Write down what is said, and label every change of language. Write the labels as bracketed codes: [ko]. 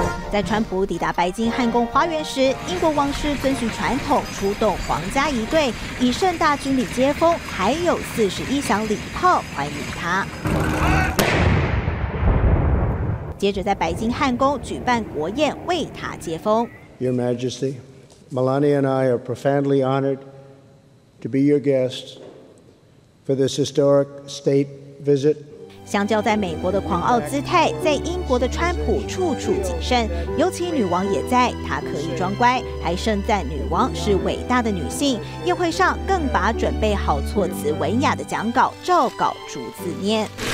[zh] 在川普抵达白金汉宫花园时，英国王室遵循传统出动皇家仪队，以盛大军礼接风，还有41响礼炮欢迎他。接着在白金汉宫举办国宴为他接风。 [en] Your Majesty, Melania and I are profoundly honored to be your guests for this historic state visit. [zh] 相较在美国的狂傲姿态，在英国的川普处处谨慎，尤其女王也在，她可以装乖，还盛赞女王是伟大的女性。宴会上更把准备好措辞文雅的讲稿照稿逐字念。